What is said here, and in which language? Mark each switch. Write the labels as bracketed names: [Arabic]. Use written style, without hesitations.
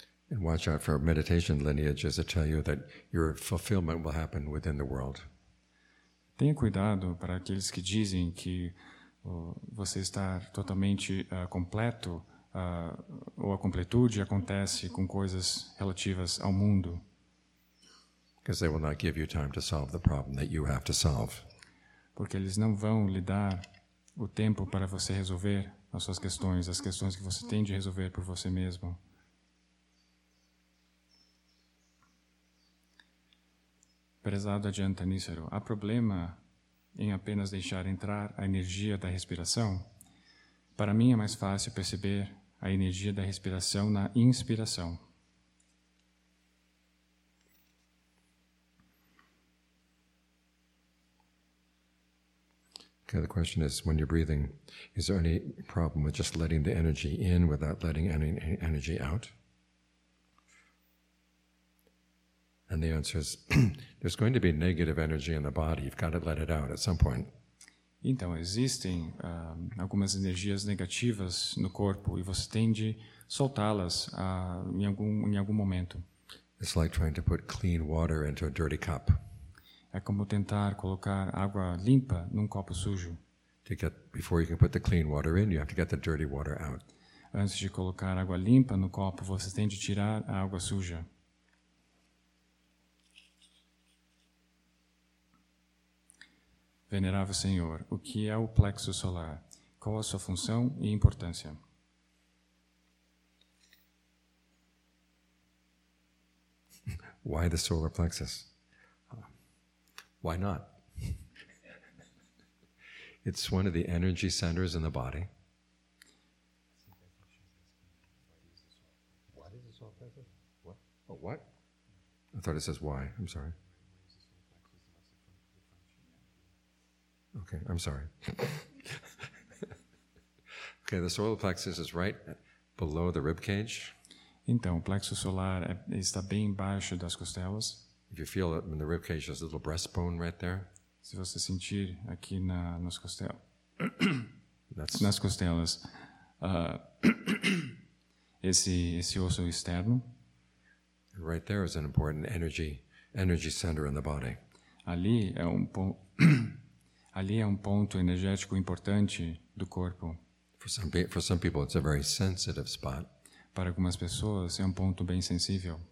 [English] And watch out for meditation lineages that tell you that your fulfillment will happen within the world. [Portuguese] Tenha cuidado para aqueles que dizem que você está totalmente completo ou a completude acontece com coisas relativas ao mundo. [English] Because they will not give you time to solve the problem that you have to solve. [Portuguese] Porque eles não vão lhe dar o tempo para você resolver as suas questões, as questões que você tem de resolver por você mesmo. Prezado Ajanta Nisaro, há problema em apenas deixar entrar a energia da respiração? Para mim é mais fácil perceber a energia da respiração na inspiração. [English] Okay, the question is, when you're breathing, is there any problem with just letting the energy in without letting any energy out? And the answer is, there's going to be negative energy in the body. You've got to let it out at some point. [Portuguese] Então, existem algumas energias negativas no corpo e você tem de soltá-las em algum momento. [English] It's like trying to put clean water into a dirty cup. [Portuguese] É como tentar colocar água limpa num copo sujo. [English] Before you can put the clean water in, you have to get the dirty water out. [Portuguese] Antes de colocar água limpa no copo, você tem de tirar a água suja. Venerável Senhor, o que é o plexo solar? Qual a sua função e importância? [English] Why the solar plexus? Why not? It's one of the energy centers in the body. What is the solar plexus? What? Oh, what? I thought it says why. I'm sorry. Okay, I'm sorry. Okay, the solar plexus is right below the rib cage. [Portuguese] Então, o plexo solar está bem embaixo das costelas. [English] If you feel it in the rib cage, there's a little breastbone right there. [Portuguese] Se você sentir aqui nas costelas. Nas costelas. esse osso externo. [English] Right there is an important energy center in the body. [Portuguese] Ali é um ponto energético importante do corpo. [English] For some people, it's a very sensitive spot. [Portuguese] Para algumas pessoas, é um ponto bem sensível.